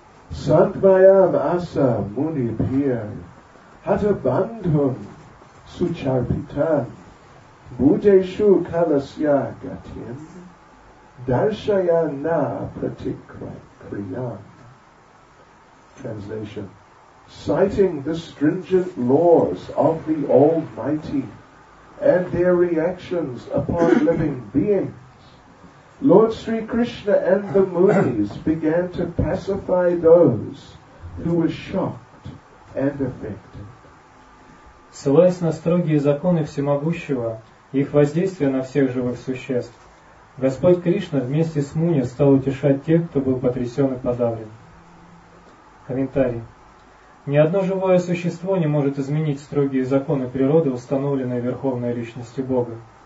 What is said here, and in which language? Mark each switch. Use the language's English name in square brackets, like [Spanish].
[Sanskrit] Сандваям аса муни пьер, хата бандхум сучарпитан, будешу каласья гатин, даршая на пратиква криян. [English] Translation. Citing the stringent laws of the Almighty and their reactions upon living beings, Lord Sri Krishna and the Munis began to pacify those who were shocked and affected. [Russian] Ссылаясь на строгие законы Всемогущего и их воздействие на всех живых существ, Господь Кришна вместе с Муни стал утешать тех, кто был потрясен и подавлен. Комментарий. Ни одно живое существо не может изменить строгие законы природы, установленные Верховной Личностью Бога.